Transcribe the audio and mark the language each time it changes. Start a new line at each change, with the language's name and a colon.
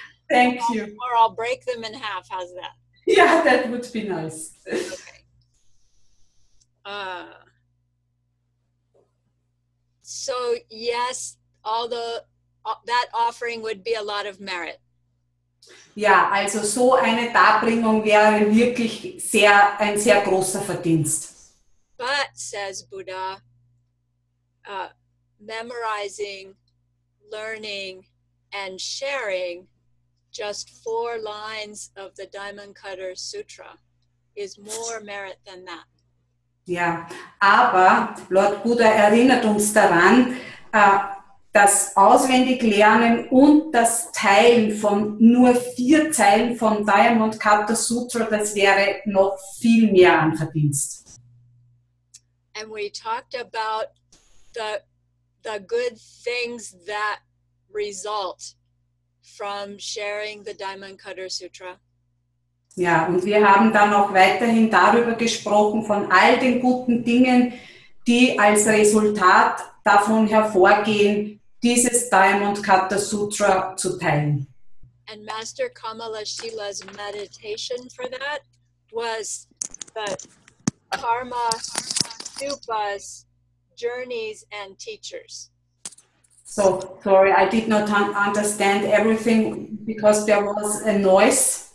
English: Thank you. Or I'll break them in half. How's that? Yeah, that would be nice. Okay. So yes, although that offering would be a lot of merit.
German: Ja, also so eine Darbringung wäre wirklich ein sehr großer Verdienst.
English: But, says Buddha, memorizing, learning and sharing just 4 lines of the Diamond Cutter Sutra is more merit than that.
German: Ja, aber Lord Buddha erinnert uns daran, das auswendig Lernen und das Teilen von nur 4 Zeilen vom Diamond Cutter Sutra, das wäre noch viel mehr an Verdienst.
English: And we talked about the good things that result from sharing the Diamond Cutter Sutra.
German: Ja, und wir haben dann auch weiterhin darüber gesprochen, von all den guten Dingen, die als Resultat davon hervorgehen, dieses Diamond Cutter Sutra zu teilen.
English: And Master Kamala Shila's meditation for that was the Karma Stupa's journeys and teachers. So, sorry, I did not understand everything because there was a noise.